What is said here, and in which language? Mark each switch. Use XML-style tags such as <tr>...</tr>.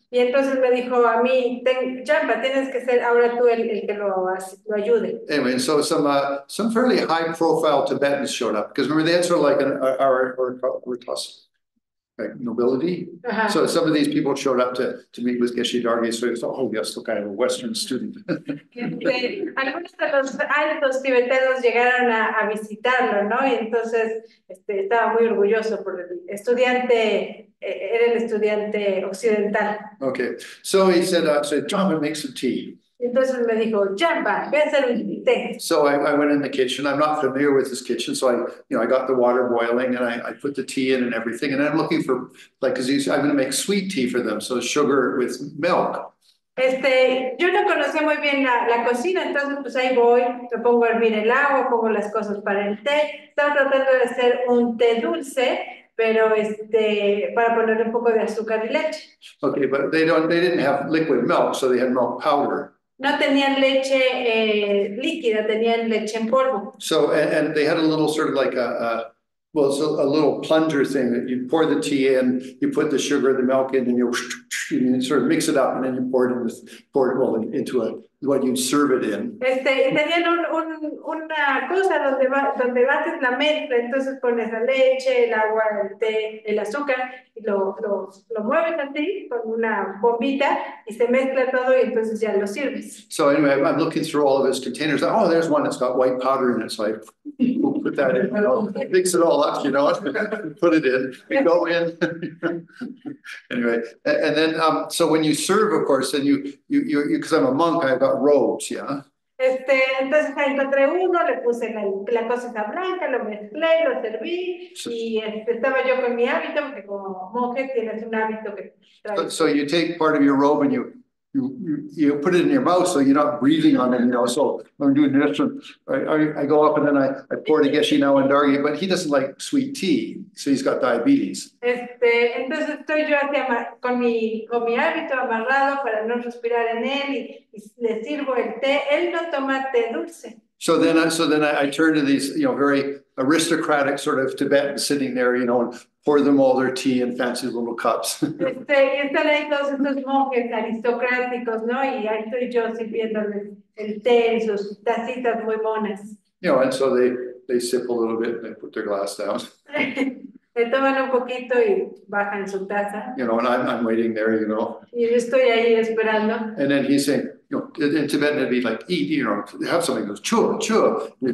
<es>Y entonces me dijo a mí, Jampa, tienes que ser ahora tú el que lo ayude.</es> <en>Anyway, and so some fairly high profile Tibetans showed up. Because remember, they had sort of like like nobility. Uh-huh. So some of these people showed up to meet with Geshe Darge, so he thought, oh yes, look, I have a Western student.</en> <es>Algunos de los altos tibetanos llegaron a visitarlo, ¿no? Y entonces estaba muy orgulloso por el estudiante, era el estudiante occidental.</es> <en>Okay. So he said, John, make some tea.</en> <es>Entonces me dijo, Champa, ve a hacer un té.</es> <en>So I went in the kitchen. I'm not familiar with this kitchen, so I got the water boiling and I put the tea in and everything. And I'm looking for like because I'm going to make sweet tea for them, so sugar with milk.</en> <es>Yo no conocía muy bien la cocina, entonces pues ahí voy, me pongo a hervir el agua, pongo las cosas para el té. Estaba tratando de hacer un té dulce, pero para ponerle un poco de azúcar y leche.</es> <en>Okay, but they didn't have liquid milk, so they had milk powder.</en> <es>No tenían leche líquida, tenían leche en polvo.</es> <en>So and they had a little sort of like a little plunger thing that you pour the tea in, you put the sugar, the milk in, and you sort of mix it up, and then you pour it into what you serve it in.</en> <es>Tenían una cosa donde bates la mezcla, entonces pones la leche, el agua, el té, el azúcar, y lo mueves así con una bombita y se mezcla todo y entonces ya lo sirves.</es> <en>So anyway, I'm looking through all of his containers. Oh, there's one that's got white powder in it. So I put that in. I'll mix it all up, you know, put it in. We go in. Anyway, and then so when you serve, of course, and you because I'm a monk, I've got robes, yeah.</en> <es>Entonces encontré uno, le puse la cosita blanca, lo mezclé, lo serví y estaba yo con mi hábito, porque como monje tienes un hábito que</es> <en>So</en> <es>traes.</es> <en>you take part of your robe and you put it in your mouth so you're not breathing on it, you know. So I'm doing this one. I go up and then I pour the Geshe now and Dargie, but he doesn't like sweet tea, so he's got diabetes.</en> <es>Entonces estoy yo hacia con mi hábito amarrado para no respirar en él y le sirvo el té. Él no toma té dulce.</es> <en>So then I turn to these, you know, very aristocratic sort of Tibetans sitting there, you know, and pour them all their tea in fancy little cups.</en> <es>Están ahí todos estos monjes aristocráticos, ¿no? Y ahí estoy yo sirviéndoles el té en sus tacitas muy monas.</es> <en>You know, and so they sip a little bit and they put their glass down.</en> <es>Le toman un poquito y bajan su taza.</es> <en>You know, and I'm waiting there, you know.</en> <es>Y yo estoy ahí esperando.</es> <en>And then he's saying, you know, in Tibetan it'd be like eat, you know, have something, goes chew, chew.</en>